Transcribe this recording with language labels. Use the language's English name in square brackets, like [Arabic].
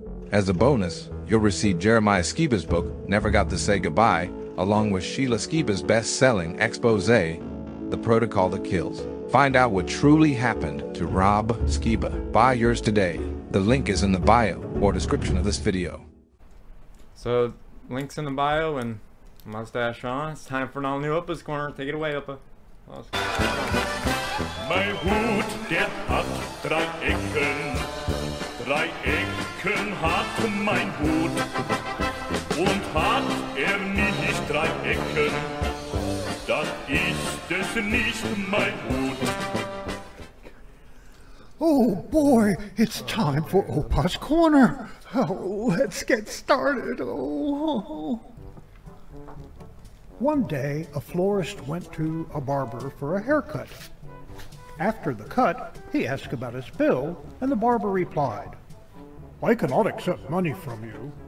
[English] As a bonus, you'll receive Jeremiah Skiba's book, Never Got to Say Goodbye, along with Sheila Skiba's best-selling expose, The Protocol That Kills. Find out what truly happened to Rob Skiba. Buy yours today. The link is in the bio or description of this video. So, links in the bio and mustache on. It's time for an all-new Opa's Corner. Take it away, Opa. [German] Mein Hut, der hat drei Ecken. Drei Ecken hat mein Hut. Und hat nicht drei Ecken, dann ist es nicht mein Hut. [English] Oh boy, it's time for Opa's Corner. Oh, let's get started. Oh. One day, a florist went to a barber for a haircut. After the cut, he asked about his bill, and the barber replied, "I cannot accept money from you.